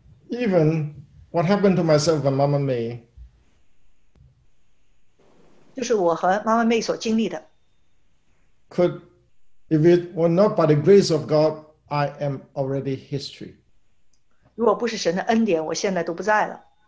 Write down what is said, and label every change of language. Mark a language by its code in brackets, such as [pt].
[en] Even what happened to myself and Mama May. [zh] 就是我和妈妈妹所经历的。 [en] Could, if it were not by the grace of God, I am already history. [zh] 如果不是神的恩典，我现在都不在了。